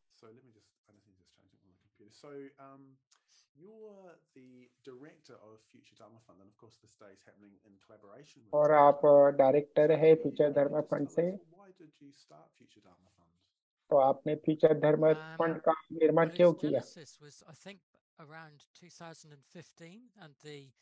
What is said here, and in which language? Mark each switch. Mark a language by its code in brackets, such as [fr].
[en] So let me just, I think just change it on my computer. So you're the director of Future Dharma Fund, and of course this day is happening in collaboration with. [hi] और आप director हैं Future Dharma Fund से. [en] Why did you start Future Dharma Fund? [hi] तो आपने Future Dharma Fund का निर्माण क्यों किया? [en] This was, I think, around 2015, and the